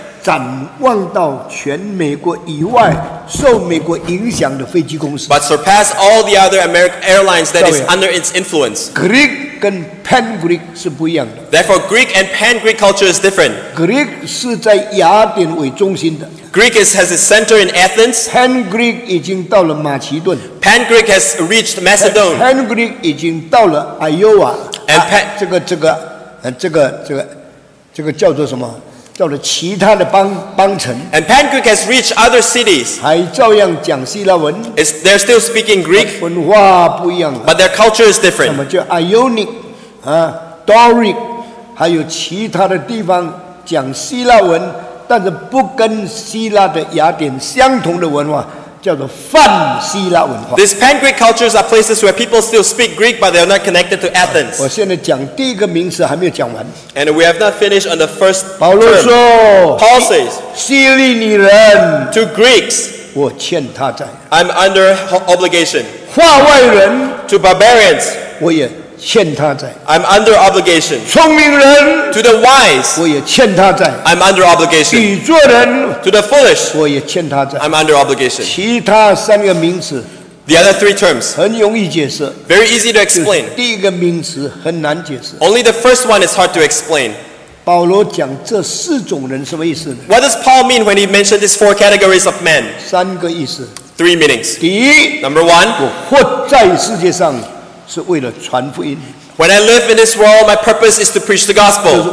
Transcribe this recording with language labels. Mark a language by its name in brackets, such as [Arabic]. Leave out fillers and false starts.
[Chinese] 展望到全美国以外受美国影响的飞机公司. [English] But surpass all the other American airlines that is under its influence. [Chinese] Greek 跟 Pan Greek 是不一样的. [English] Therefore, Greek and Pan Greek culture is different. [Chinese] Greek 是在雅典为中心的. [English] Greek has its center in Athens. [Chinese] Pan Greek 已经到了马其顿. [English] Pan Greek has reached Macedon. [Chinese] Pan Greek 已经到了 Iowa. [English] And Pan [Chinese] 这个叫做什么?叫做其他的邦城, [English] and Pan Greek has reached other cities. [Chinese] 还照样讲希腊文, [English] they're still speaking Greek, [Chinese] 文化不一样, [English] but their culture is different. [Chinese] 什么叫 Ionic, Doric, 还有其他的地方讲希腊文, 但是不跟希腊的雅典相同的文化, [English] This pan-Greek cultures are places where people still speak Greek, but they are not connected to Athens. [Chinese] 我现在讲第一个名词还没有讲完。 [English] And we have not finished on the first term. Paul says, [Chinese] 希利尼人, [English] to Greeks, [Chinese] 我欠他债, [English] I'm under obligation. [Chinese] 化外人, [English] to barbarians, [Chinese] 我也欠他债, [English] I'm under obligation. [Chinese] 聪明人, [English] to the wise, [Chinese] 我也欠他债, [English] I'm under obligation. [Chinese] 比作人, [English] to the foolish, [Chinese] 我也欠他债, [English] I'm under obligation. [Chinese] 其他三个名词, [English] the other three terms, [Chinese] 很容易解释, [English] very easy to explain. [Chinese] 第一个名词, 很难解释, [English] only the first one is hard to explain. [Chinese] 保罗讲这四种人什么意思呢? [English] What does Paul mean when he mentioned these four categories of men? [Chinese] 三个意思, [English] three meanings. [Chinese] 第一, [English] number one, [Chinese] 我活在世界上, [English] when I live in this world, my purpose is to preach the gospel.